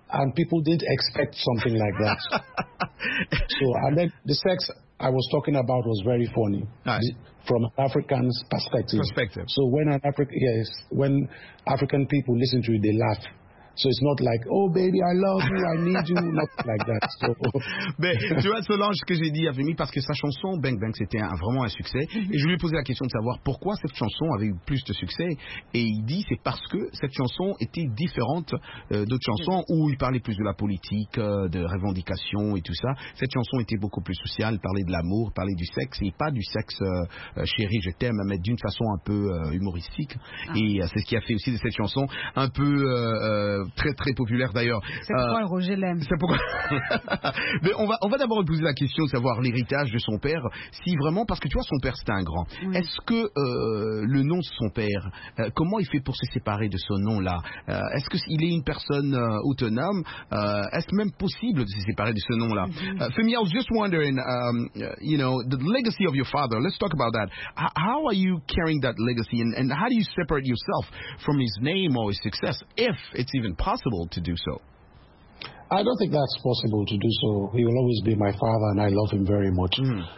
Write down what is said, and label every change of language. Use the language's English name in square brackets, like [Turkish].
[English] And people didn't expect something like that. So, and then the sex I was talking about was very funny. Nice. From an African's perspective. Perspective. So when African people listen to it, they laugh. So it's not like, oh baby, I love you, I need you, not like that. So. [French] Mais tu vois, Solange, ce que j'ai dit à Vimi, parce que sa chanson, Bang Bang, c'était vraiment un succès. Et je lui ai posé la question de savoir pourquoi cette chanson avait eu plus de succès. Et il dit, c'est parce que cette chanson était différente d'autres chansons où il parlait plus de la politique, de revendications et tout ça. Cette chanson était beaucoup plus sociale, parlait de l'amour, parlait du sexe, et pas du sexe chéri, je t'aime, mais d'une façon un peu humoristique. Ah. Et c'est ce qui a fait aussi de cette chanson un peu très très populaire d'ailleurs. C'est pourquoi Roger l'aime. C'est pourquoi. Mais on va d'abord lui poser la question de savoir l'héritage de son père, si vraiment, parce que tu vois, son père c'était un grand. Oui. Est-ce que le nom de son père, comment il fait pour se séparer de ce nom-là? Est-ce qu'il est une personne autonome? Est-ce même possible de se séparer de ce nom-là? [English] Femi, I was just wondering, you know, the legacy of your father, let's talk about that. How are you carrying that legacy and how do you separate yourself from his name or his success, if it's even possible to do so? I don't think that's possible to do so. He will always be my father and I love him very much. Mm.